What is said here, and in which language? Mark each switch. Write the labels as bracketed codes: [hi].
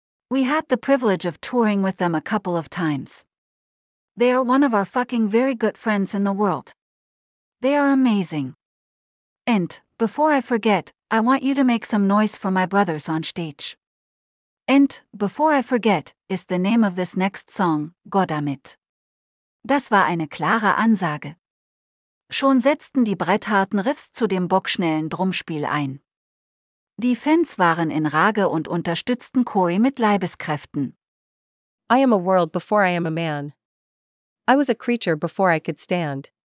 [en] We had the privilege of touring with them a couple of times. They are one of our fucking very good friends in the world. They are amazing. And, before I forget, I want you to make some noise for my brothers on stage. And, before I forget, is the name of this next song, Goddammit. [de] Das war eine klare Ansage. Schon setzten die brettharten Riffs zu dem bockschnellen Drumspiel ein. Die Fans waren in Rage und unterstützten Corey mit Leibeskräften. [en] I am a world before I am a man. I was a creature before I could stand.